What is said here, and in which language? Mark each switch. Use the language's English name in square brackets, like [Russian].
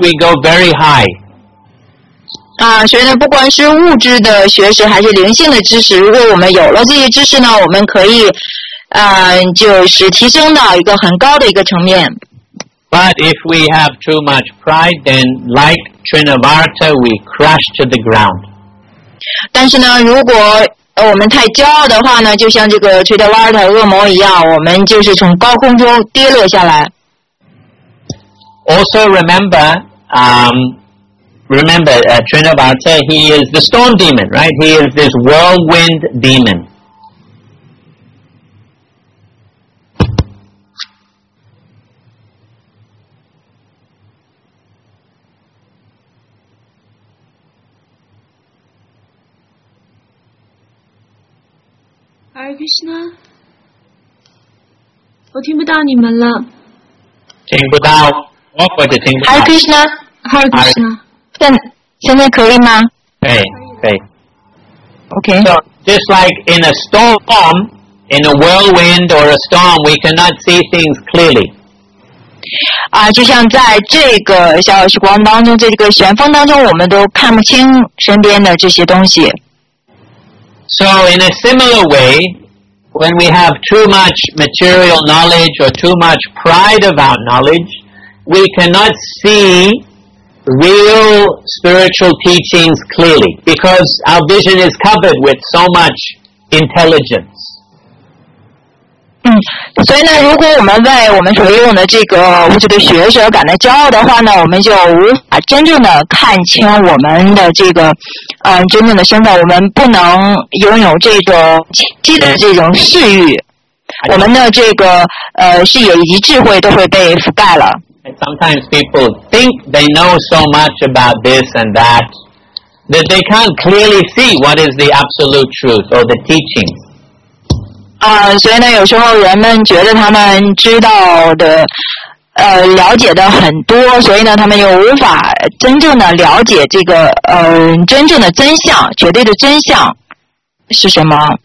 [English] We go very high. [Chinese] 啊，所以呢，不管是物质的学识还是灵性的知识，如果我们有了这些知识呢，我们可以，就是提升到一个很高的一个层面。 [English] But if we have too much pride, then like Trinavarta, we crash to the ground. [Chinese] 但是呢，如果我们太骄傲的话呢，就像这个崔德瓦尔特恶魔一样，我们就是从高空中跌落下来。 [English] Also remember, Trinavarta, he is the storm demon, right? He is this whirlwind demon. [Chinese] 我听不到你们了。听不到，我或者听不到。 Hare Krishna， 现在可以吗？可以。 [English] Okay. So just like in a storm, in a whirlwind or a storm, we cannot see things clearly. [Chinese] 啊，就像在这个小时光当中，这个旋风当中，我们都看不清身边的这些东西。 [English] So in a similar way. When we have too much material knowledge or too much pride about knowledge, we cannot see real spiritual teachings clearly because our vision is covered with so much intelligence. [Chinese] 嗯，所以呢，如果我们为我们所用的这个物质的学识而感到骄傲的话呢，我们就无法真正的看清我们的这个。真正的身份，我们不能拥有这种积的这种视域，我们的这个视野以及智慧都会被覆盖了。 [English] Sometimes people think they know so much about this and that that they can't clearly see what is the absolute truth or the teaching. [Chinese] 所以呢，有时候人们觉得他们知道的了解的很多，所以呢他们又无法真正的了解这个真正的真相，绝对的真相是什么。